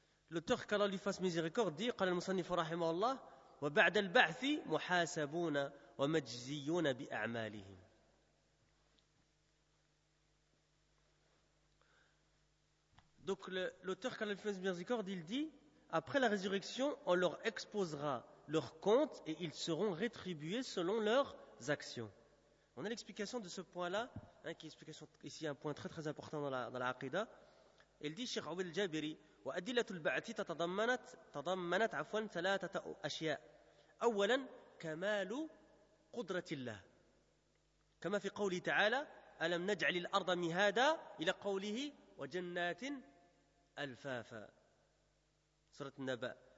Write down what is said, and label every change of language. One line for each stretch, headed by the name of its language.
French: L'auteur, qu'Allah lui fasse miséricorde, dit,
Arabic: قال المصنف رحمه الله وبعد البعث محاسبون ومجزيون بأعمالهم.
French: Donc l'auteur, qu'Allah lui fasse miséricorde, il dit, après la résurrection, on leur exposera leur compte et ils seront rétribués selon leurs actions. On a l'explication de ce point-là, hein, qui est explication ici un point très très important dans la Aqidah. Il dit,
Arabic: Cheikh Abu al-Jabiri, وأدلة البعث تضمنت عفوا ثلاثة أشياء. أولا كمال قدرة الله، كما في قوله تعالى ألم نجعل الأرض مهادا إلى قوله وجنات ألفافا سورة النبأ.